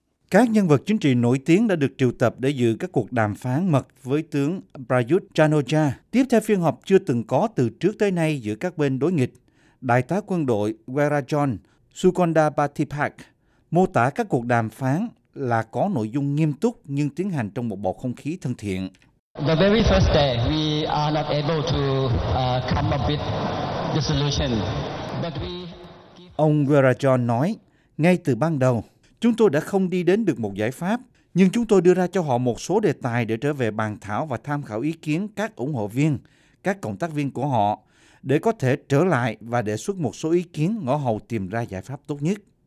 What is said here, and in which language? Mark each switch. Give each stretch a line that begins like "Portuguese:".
Vietnamese: Các nhân vật chính trị nổi tiếng đã được triệu tập để dự các cuộc đàm phán mật với tướng Prayut Chan-o-cha, tiếp theo phiên họp chưa từng có từ trước tới nay giữa các bên đối nghịch. Đại tá quân đội Werajon Sukhondabathipak mô tả các cuộc đàm phán là có nội dung nghiêm túc nhưng tiến hành trong một bầu không khí thân thiện.
English: The very first day we are not able to come up with the solution. But we...
Vietnamese: Ông Werajon nói, ngay từ ban đầu, chúng tôi đã không đi đến được một giải pháp, nhưng chúng tôi đưa ra cho họ một số đề tài để trở về bàn thảo và tham khảo ý kiến các ủng hộ viên, các cộng tác viên của họ, để có thể trở lại và đề xuất một số ý kiến ngõ hầu tìm ra giải pháp tốt nhất.